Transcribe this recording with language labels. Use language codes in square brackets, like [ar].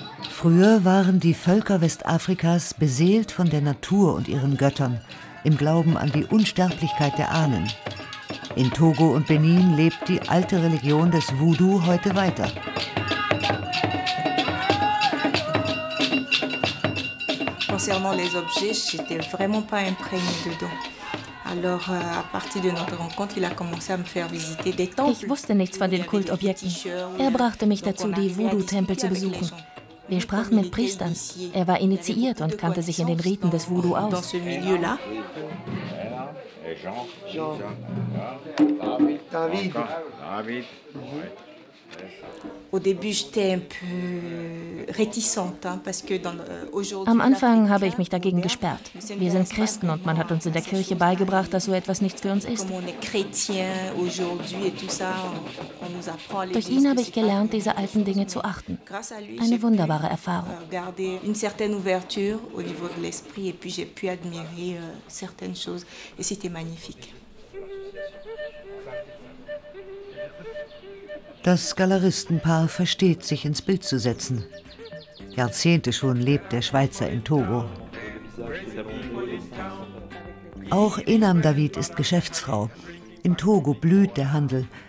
[de] Früher waren die Völker Westafrikas beseelt von der Natur und ihren Göttern, im Glauben an die Unsterblichkeit der Ahnen. In Togo und Benin lebt die alte Religion des Voodoo heute weiter. [fr] concernant les objets, j'étais vraiment pas imprégnée dedans. Alors, à partir de notre rencontre, il a commencé à me faire visiter des temples. [de] Ich wusste nichts von den Kultobjekten. Brachte mich dazu, die Voodoo-Tempel zu besuchen. Wir sprachen mit Priestern. War initiiert und kannte sich in den Riten des Voodoo aus. [fr] Dans ce milieu-là. David. Au début, j'étais un peu réticente, hein, parce que dans, [de] am Anfang habe ich mich dagegen gesperrt. Wir sind Christen und man hat uns in der Kirche beigebracht, dass so etwas nichts für uns ist. Durch ihn habe ich gelernt, diese alten Dinge zu achten. Eine wunderbare Erfahrung. [fr] Une certaine ouverture au niveau de l'esprit et puis j'ai pu admirer certaines choses et c'était magnifique. [de] Das Galeristenpaar versteht sich ins Bild zu setzen. Jahrzehnte schon lebt der Schweizer in Togo. Auch Enam David ist Geschäftsfrau. In Togo blüht der Handel.